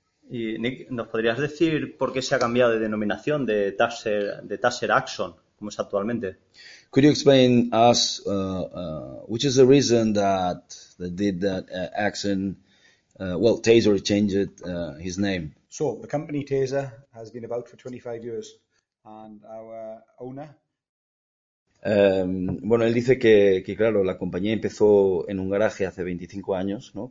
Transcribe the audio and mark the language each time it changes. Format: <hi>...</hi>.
<es>Y Nick, ¿nos podrías decir por qué se ha cambiado de denominación de Taser Axon, como es actualmente?</es> <en>Could you explain us which is the reason that Axon, Taser changed his name? So the company Taser has been about for 25 years, and our owner.</en> <es>Bueno, él dice que claro, la compañía empezó en un garaje hace 25 años, ¿no?</es>